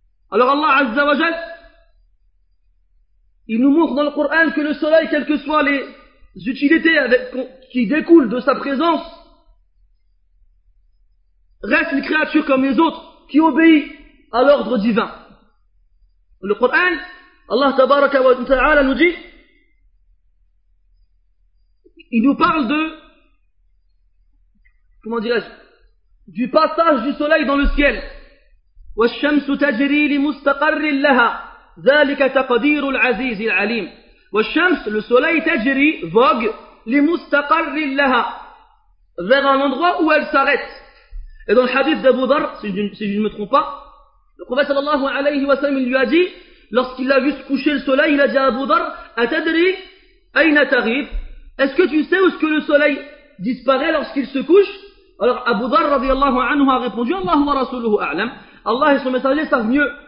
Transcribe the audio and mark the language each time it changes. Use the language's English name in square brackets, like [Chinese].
[French] Alors Allah [Arabic] azza wa jal, [French] il nous montre dans le Coran que le soleil, quelles que soient les utilités qui découlent de sa présence, reste une créature comme les autres qui obéit à l'ordre divin. Le Coran, Allah [Arabic] tabaraka wa ta'ala [French] nous dit, il nous parle de, comment dirais-je, du passage du soleil dans le ciel. [Arabic] وَالشَّمْسُ تَجْرِي لِمُسْتَقَرٍ لَهَا ذَلِكَ تَقَدِيرُ الْعَزِيزِ الْعَلِيمِ وَالشَّمْسُ, [French] le soleil [Arabic] تَجْرِي, vogue, لِمُسْتَقَرٍ لَهَا, [French] vers un endroit où elle s'arrête. Et dans le hadith d'Abu Dhar, si je ne me trompe pas, le prophète [Arabic] sallallahu alayhi wa sallam [French] lui a dit, lorsqu'il a vu se coucher le soleil, il a dit à Abu Dhar, [Arabic] أَتَدْرِي أَيْنَ تَغِيبُ, [French] est-ce que tu sais où est-ce que le soleil disparaît lorsqu'il se couche? Alors Abu Dhar radiallahu anhu a répondu, [Arabic] Allahu wa rasuluhu a'lam, [French] Allah et son messager savent mieux.